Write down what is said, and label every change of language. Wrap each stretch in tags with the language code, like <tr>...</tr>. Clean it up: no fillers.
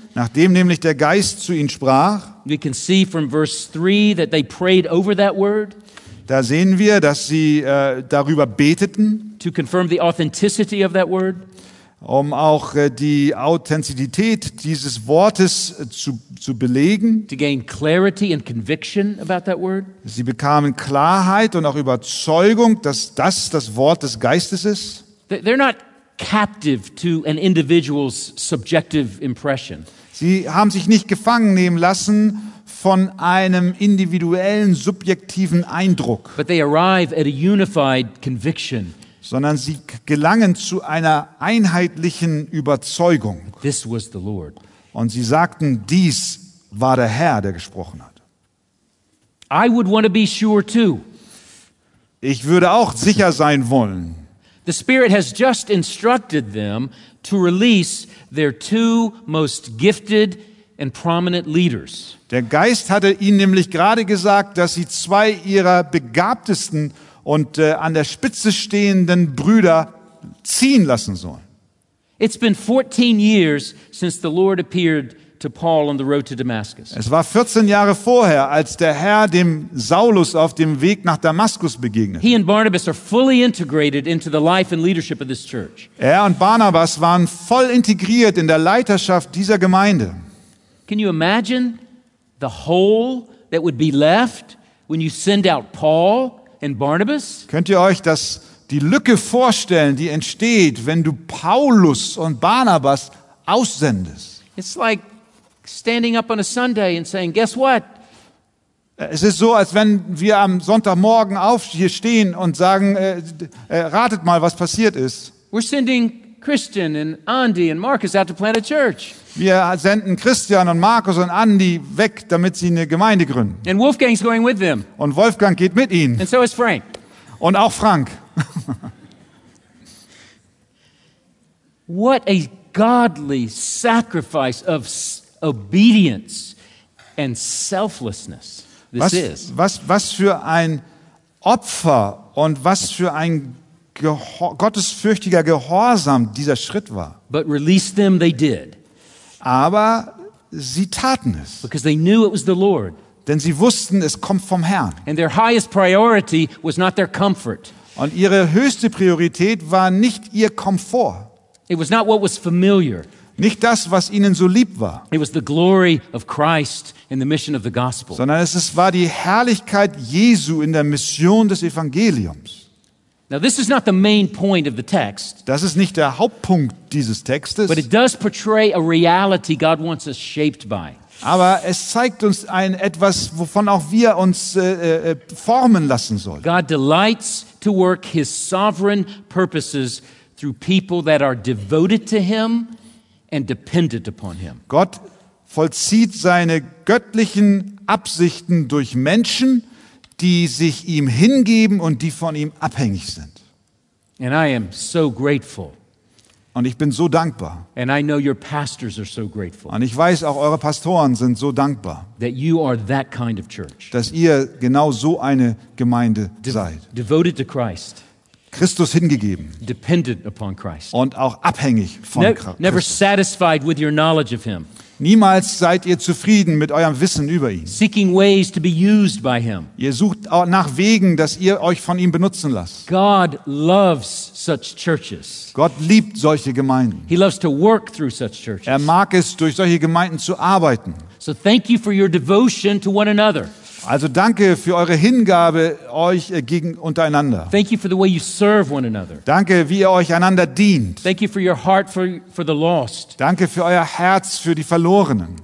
<de>nachdem nämlich der Geist zu ihnen sprach,</de> <en>we can see from verse 3 that they prayed over that word.</en> <de>Da sehen wir, dass sie darüber beteten.</de> <en>To confirm the authenticity of that word.</en> <de>Um auch die Authentizität dieses Wortes zu belegen.</de> <en>To gain clarity and conviction about that word.</en> <de>Sie bekamen Klarheit und auch Überzeugung, dass das Wort des Geistes ist.</de> <en>They're not captive to an individual's subjective impression.</en> <de>Sie haben sich nicht gefangen nehmen lassen von einem individuellen, subjektiven Eindruck.</de> <en>But they arrive at a unified conviction.</en> <de>Sondern sie gelangen zu einer einheitlichen Überzeugung.</de> <en>This was the Lord.</en> <de>Und sie sagten, dies war der Herr, der gesprochen hat.</de> <en>I would want to be sure too.</en> <de>Ich würde auch sicher sein wollen.</de> <en>The Spirit has just instructed them to release their two most gifted and prominent leaders.</en> <de>Der Geist hatte ihnen nämlich gerade gesagt, dass sie zwei ihrer begabtesten und an der Spitze stehenden Brüder ziehen lassen sollen.</de> <en>It's been 14 years since the Lord appeared to Paul on the road to Damascus.</en> <de>Es war 14 Jahre vorher, als der Herr dem Saulus auf dem Weg nach Damaskus begegnete.</de> <en>He and Barnabas are fully integrated into the life and leadership of this church.</en> <de>Er und Barnabas waren voll integriert in der Leiterschaft dieser Gemeinde.</de> <en>Can you imagine the hole that would be left when you send out Paul? And Barnabas?</en> <de>Könnt ihr euch die Lücke vorstellen, die entsteht, wenn du Paulus und Barnabas aussendest?</de> <en>It's like standing up on a Sunday and saying, guess what?</en> <de>Es ist so, als wenn wir am Sonntagmorgen auf hier stehen und sagen, ratet mal, was passiert ist.</de> <en>We're sending Christian and Andy and Marcus out to plant a church.</en> <de>Wir senden Christian und Markus und Andy weg, damit sie eine Gemeinde gründen.</de> <en>And Wolfgang's going with them.</en> <de>Und Wolfgang geht mit ihnen.</de> <en>And so is Frank.</en> <de>Und auch Frank.</de> <en>What a godly sacrifice of obedience and selflessness this was, is.</en> <de>Was für ein Opfer und was für ein gottesfürchtiger Gehorsam dieser Schritt war.</de> <en>But release them they did.</en> <de>Aber sie taten es.</de> <en>Because they knew it was the Lord.</en> <de>Denn sie wussten, es kommt vom Herrn.</de> <en>And their highest priority was not their comfort.</en> <de>Und ihre höchste Priorität war nicht ihr Komfort.</de> <en>It was not what was familiar.</en> <de>Nicht das, was ihnen so lieb war.</de> <en>It was the glory of Christ in the mission of the gospel.</en> <de>Sondern es war die Herrlichkeit Jesu in der Mission des Evangeliums.</de> <en>Now this is not the main point of the text.</en> <de>Das ist nicht der Hauptpunkt dieses Textes.</de> <en>But it does portray a reality God wants us shaped by.</en> <de>Aber es zeigt uns ein etwas, wovon auch wir uns formen lassen sollen.</de> <en>God delights to work his sovereign purposes through people that are devoted to him and dependent upon him.</en> <de>Gott vollzieht seine göttlichen Absichten durch Menschen, die sich ihm hingeben und die von ihm abhängig sind.</de> <en>And I am so grateful.</en> <de>Und ich bin so dankbar.</de> <en>And I know your pastors are so grateful.</en> <de>Und ich weiß, auch eure Pastoren sind so dankbar.</de> <en>That you are that kind of church.</en> <de>Dass ihr genau so eine Gemeinde seid.</de> <en>Devoted to Christ.</en> <de>Christus hingegeben.</de> <en>Dependent upon Christ.</en> <de>Und auch abhängig von Christus.</de> <en>Never satisfied with your knowledge of him.</en> <de>Niemals seid ihr zufrieden mit eurem Wissen über ihn.</de> <en>Seeking ways to be used by him.</en> <de>Ihr sucht nach Wegen, dass ihr euch von ihm benutzen lasst.</de> <en>God loves such churches.</en> <de>Gott liebt solche Gemeinden.</de> <en>He loves to work through such churches.</en> <de>Er mag es, durch solche Gemeinden zu arbeiten.</de> <en>So thank you for your devotion to one another.</en> <de>Also danke für eure Hingabe euch gegen untereinander.</de> <en>Thank you for the way you serve one another.</en> <de>Danke, wie ihr euch einander dient.</de> <en>Thank you for your heart for the lost.</en> <de>Danke für euer Herz für die Verlorenen.</de>